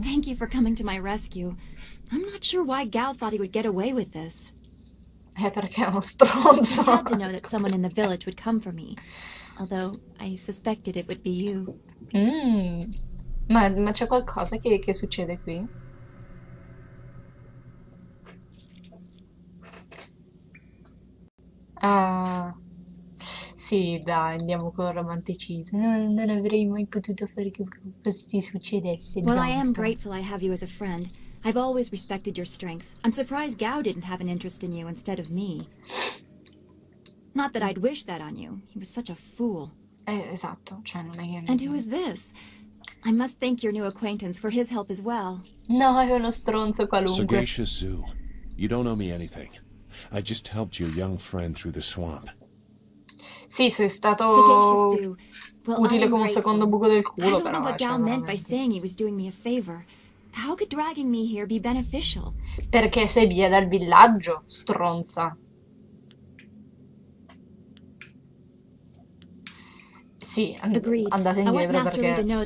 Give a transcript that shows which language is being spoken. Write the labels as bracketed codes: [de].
[en] Thank you for coming to my rescue. I'm not sure why Gao thought he would get away with this. [it] È perché è uno stronzo. [en] I had to know that someone in the village would come for me. Although I suspected it would be you. [it] Ma c'è qualcosa che succede qui? Sì, dai, andiamo con il romanticismo. Non avrei mai potuto fare che questo succedesse. [en] Well, I am grateful I have you as a friend. I've always respected your strength. I'm surprised Gao didn't have an interest in you instead of me. Not that I'd wish that on you. He was such a fool. [it] Esatto, cioè non è che... [en] And who is this? I must thank your new acquaintance for his help as well. [it] No, è uno stronzo qualunque. [en] Sagacious Zoo, you don't owe me anything. I just helped your young friend through the swamp. [it] Sì, sei stato utile come un secondo buco del culo, però. [en] I don't know what Gao meant by saying he was doing me a favor. How could dragging me here be beneficial? [it] Perché sei via dal villaggio, stronza. Sì, andate indietro perché